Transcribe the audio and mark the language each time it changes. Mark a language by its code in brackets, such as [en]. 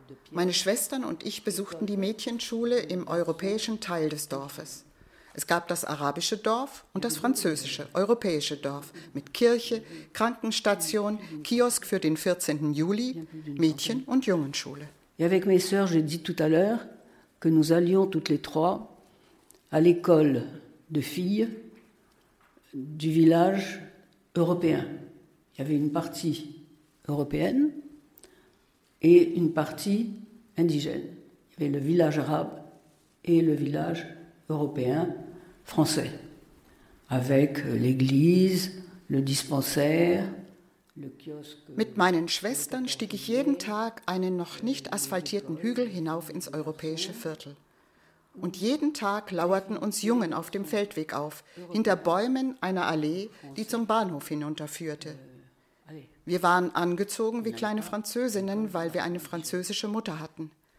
[de] Meine Schwestern und ich besuchten die Mädchenschule im europäischen Teil des Dorfes. Es gab das arabische Dorf und das französische, europäische Dorf mit Kirche, Krankenstation, Kiosk für den 14. Juli, Mädchen- und Jungenschule. [fr] Avec mes sœurs, j'ai dit tout à l'heure que nous allions toutes les trois à l'école de filles du village européen. Il y avait une partie européenne et une partie indigène. Il y avait le village arabe et le village européen. Français, avec l'église, le dispensaire, le kiosque. [de] Mit meinen Schwestern stieg ich jeden Tag einen noch nicht asphaltierten Hügel hinauf ins europäische Viertel. Und jeden Tag lauerten uns Jungen auf dem Feldweg auf, hinter Bäumen einer Allee, die zum Bahnhof hinunterführte. Wir waren angezogen wie kleine Französinnen, weil wir eine französische Mutter hatten.